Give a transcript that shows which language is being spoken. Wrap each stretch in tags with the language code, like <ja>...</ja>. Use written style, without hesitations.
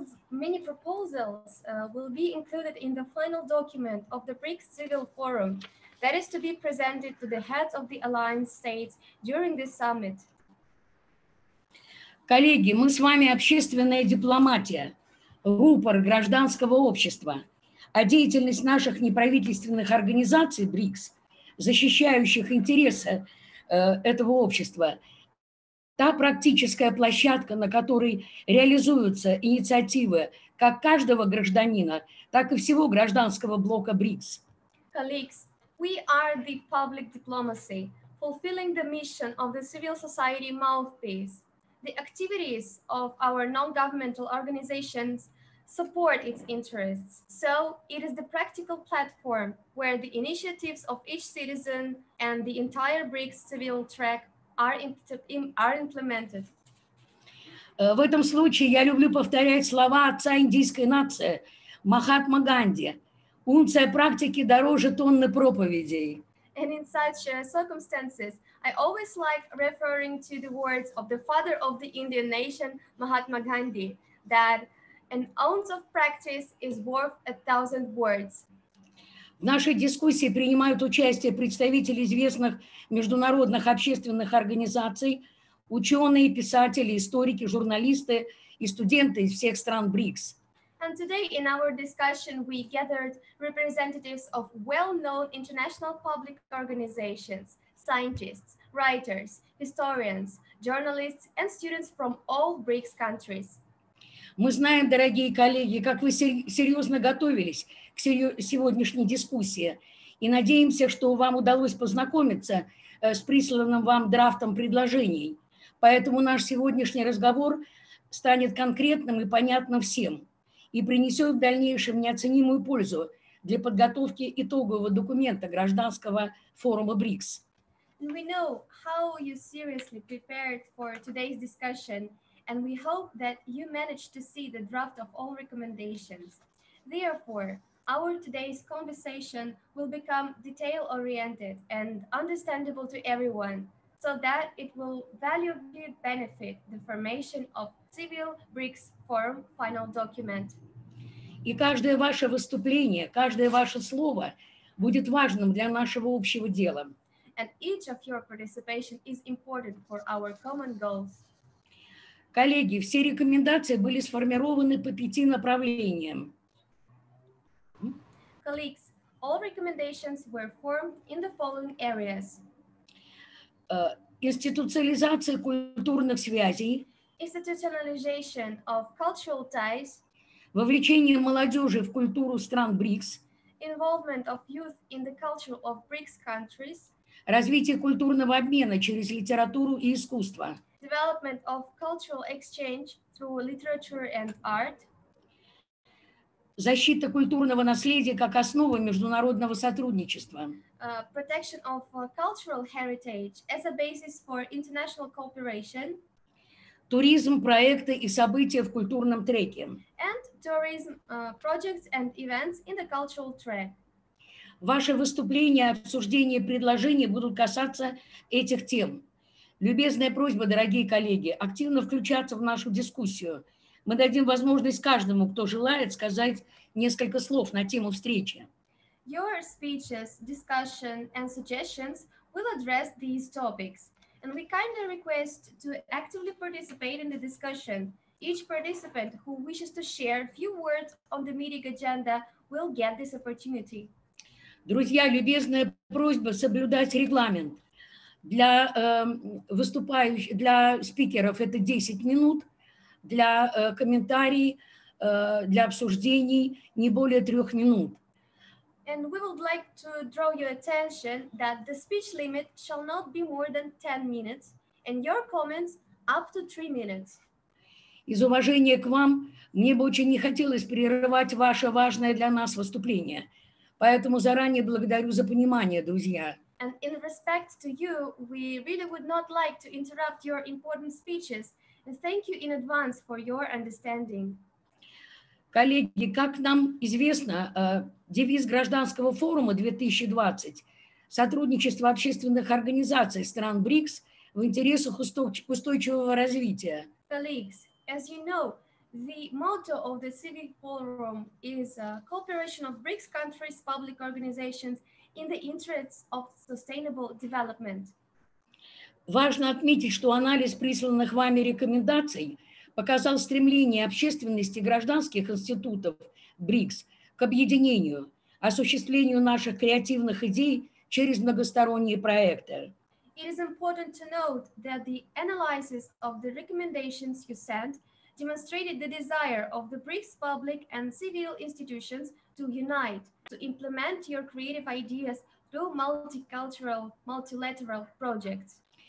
<en>Many proposals will be included in the final document of the BRICS Civil Forum that is to be presented to the heads of the alliance states during this summit.</en> <ru>Коллеги, мы с вами общественная дипломатия, рупор гражданского общества, а деятельность наших неправительственных организаций БРИКС, защищающих интересы этого общества, та практическая площадка, на которой реализуются инициативы как каждого гражданина, так и всего гражданского блока БРИКС.</ru> <en>Colleagues, we are the public diplomacy, fulfilling the mission of the civil society mouthpiece. The activities of our non-governmental organizations support its interests. So it is the practical platform where the initiatives of each citizen and the entire BRICS civil track are implemented.</en> <ru>В этом случае я люблю повторять слова отца индийской нации Махатма Ганди. Унция практики дороже тонны проповедей.</ru> <en>And in such circumstances, I always like referring to the words of the father of the Indian nation, Mahatma Gandhi, that an ounce of practice is worth a thousand words.</en> <ru>В нашей дискуссии принимают участие представители известных международных общественных организаций, ученые, писатели, историки, журналисты и студенты из всех стран БРИКС.</ru> <en>And today in our discussion we gathered representatives of well-known international public organizations, scientists, writers, historians, journalists and students from all BRICS countries.</en> <ru>Мы знаем, дорогие коллеги, как вы серьезно готовились к сегодняшней дискуссии и надеемся, что вам удалось познакомиться с присланным вам драфтом предложений. Поэтому наш сегодняшний разговор станет конкретным и понятным всем и принесет в дальнейшем неоценимую пользу для подготовки итогового документа гражданского форума БРИКС.</ru> <en>We know how you seriously prepared for today's discussion, and we hope that you managed to see the draft of all recommendations. Therefore, our today's conversation will become detail-oriented and understandable to everyone, so that it will valuably benefit the formation of civil BRICS forum final document.</en> <ru>И каждое ваше выступление, каждое ваше слово будет важным для нашего общего дела.</ru> <en>And each of your participation is important for our common goals.</en> <ru>Коллеги, все рекомендации были сформированы по пяти направлениям.</ru> <en>Colleagues, all recommendations were formed in the following areas.</en> <ru>Институциализация культурных связей.</ru> <en>Institutionalization of cultural ties.</en> <ru>Вовлечение молодежи в культуру стран БРИКС.</ru> <en>Involvement of youth in the culture of BRICS countries.</en> <ru>Развитие культурного обмена через литературу и искусство.</ru> <en>Development of cultural exchange through literature and art.</en> <ru>Защита культурного наследия как основа международного сотрудничества.</ru> <en>Protection of cultural heritage as a basis for international cooperation.</en> <ru>Туризм, проекты и события в культурном треке.</ru> <en>And tourism projects and events in the cultural track.</en> <ru>Ваши выступления, обсуждения, предложения будут касаться этих тем. Любезная просьба, дорогие коллеги, активно включаться в нашу дискуссию. Мы дадим возможность каждому, кто желает, сказать несколько слов на тему встречи.</ru> <en>Your speeches, discussion and suggestions will address these topics. And we kindly request to actively participate in the discussion. Each participant who wishes to share a few words on the meeting agenda will get this opportunity.</en> <ru>Друзья, любезная просьба соблюдать регламент. Для выступающих, для спикеров это 10 минут, для комментариев, для обсуждений не более 3 минут.</ru> <en>And we would like to draw your attention that the speech limit shall not be more than 10 minutes, and your comments up to 3 minutes.</en> <ru>Из уважения к вам, мне бы очень не хотелось прерывать ваше важное для нас выступление. Поэтому заранее благодарю за понимание, друзья.</ru> <en>And in respect to you, we really would not like to interrupt your important speeches. And thank you in advance for your understanding.</en> <ru>Коллеги, как нам известно, девиз гражданского форума 2020 – сотрудничество общественных организаций стран БРИКС в интересах устойчивого развития.</ru> <en>Colleagues, as you know, the motto of the Civic Forum is cooperation of BRICS countries' public organizations in the interests of sustainable development.</en> <ru>Важно отметить, что анализ присланных вами рекомендаций показал стремление общественности гражданских институтов БРИКС к объединению, осуществлению наших креативных идей через многосторонние проекты.</ru> <en>It is important to note that the analysis of the recommendations you sent demonстrated the desire of the BRICS public and civil institutions to unite, to implement your creative ideas through multicultural, multilateral projects.</en>